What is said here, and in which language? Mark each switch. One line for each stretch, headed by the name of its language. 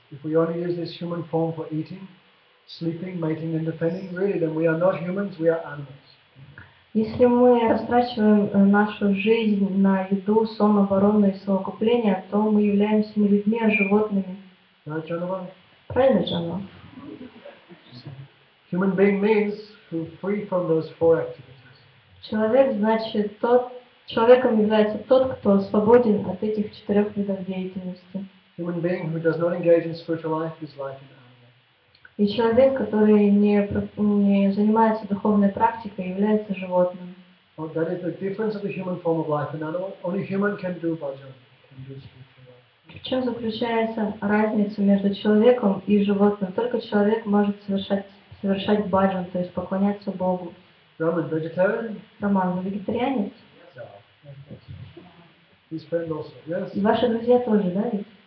English: If we only use this human form for eating, sleeping, mating and defending, really, then we are not humans, we are animals.
Russian: Если мы растрачиваем нашу жизнь на еду, сон, оборону и совокупление, то мы являемся не людьми, а животными. Правильно, Джанова?
English: Human being means free from those four activities.
Russian: Человек, значит, тот, человеком является тот, кто свободен от этих четырех видов деятельности.
English: Human being who does not engage in spiritual life is like an animal.
Russian: И человек, который не занимается духовной практикой, является животным.
English: Well, that is the difference of the human form of life and animal. Only human can do bhajan, can do spiritual life.
Russian: В чем заключается разница между человеком и животным? Только человек может совершать бхаджан, то есть поклоняться Богу. Роман, вегетарианец? Роман, вы вегетарианец?
English: Да. His friend also, yes.
Russian: И ваши друзья тоже, да, ведь?